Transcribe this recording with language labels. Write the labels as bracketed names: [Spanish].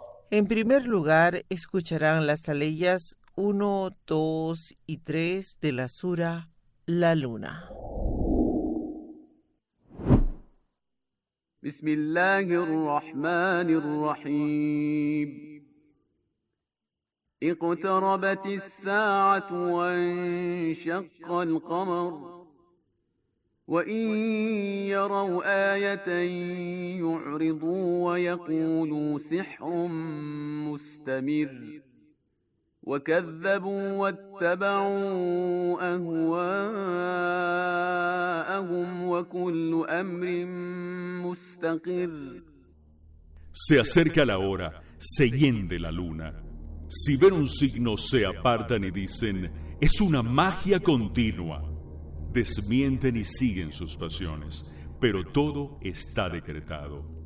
[Spanish] En primer lugar, escucharán las aleyas 1, 2 y 3 de la sura La Luna. [Arabic] بسم الله الرحمن الرحيم اقتربت الساعة وانشق القمر وإن يروا آية يعرضوا ويقولوا سحر مستمر وكذبوا واتبعوا أهواءهم وكل أمر مستقر. [Spanish] Se acerca la hora, se hiende la luna. Si ven un signo, se apartan y dicen, es una magia continua. Desmienten y siguen sus pasiones, pero todo está decretado.